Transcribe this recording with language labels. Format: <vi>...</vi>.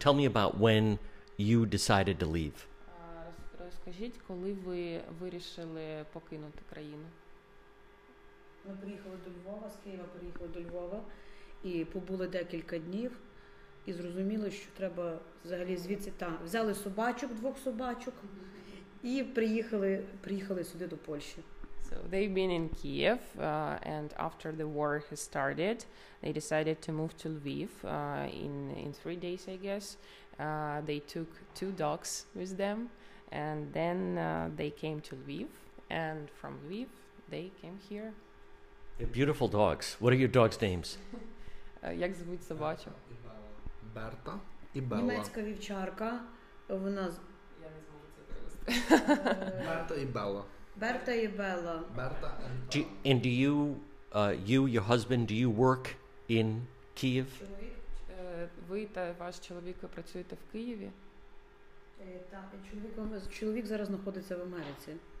<en>Tell me about when you decided to leave.</en> <uk>Розкажіть, коли ви вирішили покинути країну? Ми приїхали до Львова, з Києва приїхали до Львова, і побули декілька днів. І зрозуміли, що треба взагалі звідси там. Взяли собачок, двох собачок, і приїхали сюди до Польщі.</uk> <en>So they've been in Kiev, and after the war has started, they decided to move to Lviv in 3 days, I guess. They took two dogs with them, and then they came to Lviv, and from Lviv they came here. They're beautiful dogs. What are your dogs' names?</en> <uk>Як звуть собачок? Берта і Белла. Німецька вівчарка. Вона... Я не зможу це привести. Берта і Белла. Берта і Белла. Берта і Белла.</uk> <en>And do you, your husband, do you work in Kyiv?</en> <uk>Ви та ваш чоловік працюєте в Києві? Так, чоловік зараз знаходиться в Америці.</uk>